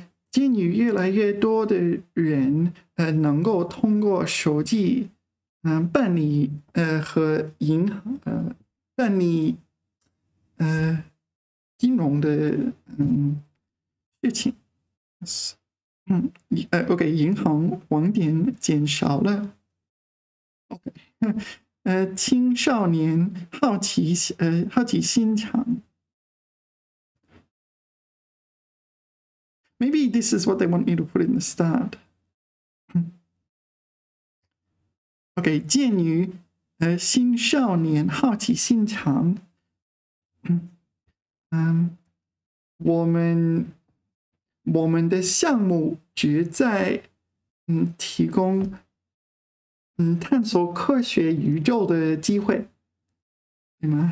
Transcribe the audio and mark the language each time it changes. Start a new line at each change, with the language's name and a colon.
Chinese: 鉴于越来越多的人能够通过手机办理和银行办理金融的事情，银行网点减少了，OK，青少年好奇心强。
English: Maybe this is what they want me to put in the start.
Chinese: OK，鉴于新少年好奇心强，我们的项目旨在提供探索科学宇宙的机会，对吗？